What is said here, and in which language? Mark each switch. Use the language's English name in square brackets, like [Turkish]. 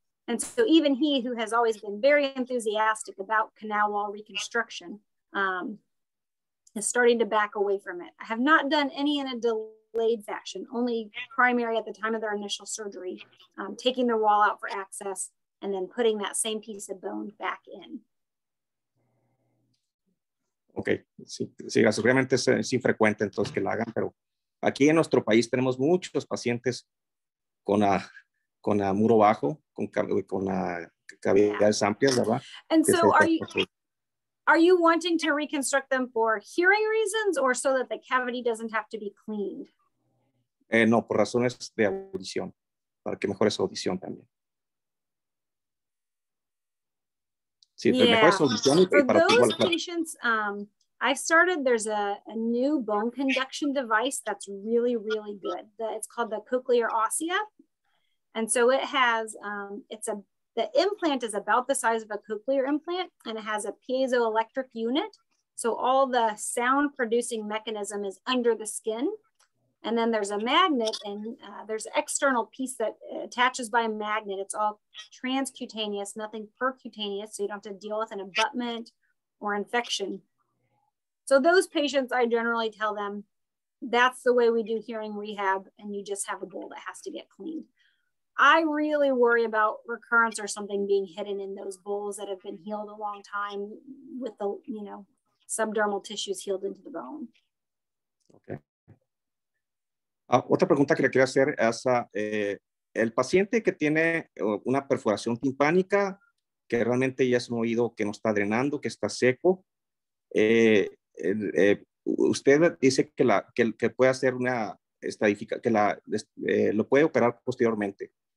[English] And so even he, who has always been very enthusiastic about canal wall reconstruction, is starting to back away from it. I have not done any in a delayed fashion, only primary at the time of their initial surgery, taking the wall out for access and then putting that same piece of bone back in. [Spanish] Okay, sí, realmente es infrecuente entonces que la hagan, pero aquí en nuestro país tenemos muchos pacientes con a muro bajo, con cavidades amplias, ¿verdad? [English] And so are you... Are you wanting to reconstruct them for hearing reasons or so that the cavity doesn't have to be cleaned? [Spanish] No, por razones de audición, para que mejore su audición también. [English] Sí, yeah. [Spanish] Mejore su audición y para [English] those igual, patients, I've started, there's a new bone conduction device that's really, really good. It's called the cochlear ossia. And so it has, the implant is about the size of a cochlear implant and it has a piezoelectric unit. So all the sound producing mechanism is under the skin. And then there's a magnet and there's an external piece that attaches by a magnet. It's all transcutaneous, nothing percutaneous. So you don't have to deal with an abutment or infection. So those patients, I generally tell them, that's the way we do hearing rehab and you just have a bowl that has to get cleaned. I really worry about recurrence or something being hidden in those bowls that have been healed a long time with the, you know, subdermal tissues healed into the bone. Okay. [Spanish] Otra pregunta que le quería hacer es el paciente que tiene una perforación timpánica, que realmente ya es un oído que no está drenando, que está seco. Usted dice que la que puede hacer una estadifica que la lo puede operar posteriormente.